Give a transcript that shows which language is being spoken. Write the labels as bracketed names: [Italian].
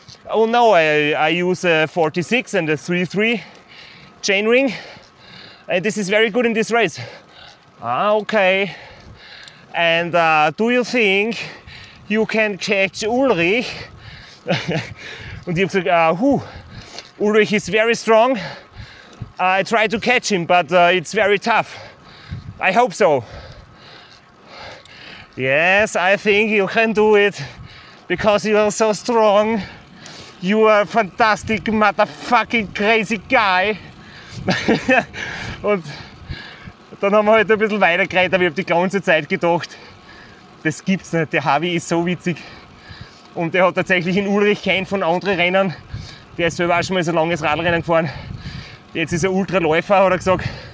[English] Oh no, I use a 46 and a 33 chain ring. And this is very good in this race. Ah, okay. And do you think you can catch Ulrich? [German] Und ich habe gesagt, [English] Ulrich is very strong. I try to catch him, but it's very tough. I hope so. Yes, I think you can do it. because you are so strong. You are a fantastic motherfucking crazy guy. [German] Und dann haben wir halt ein bisschen weiter geredet, aber ich habe die ganze Zeit gedacht, das gibt's nicht, der Javi ist so witzig. Und der hat tatsächlich in Ulrich keinen von anderen Rennern, der ist selber auch schon mal so langes Radrennen gefahren. Jetzt ist er Ultraläufer, hat er gesagt.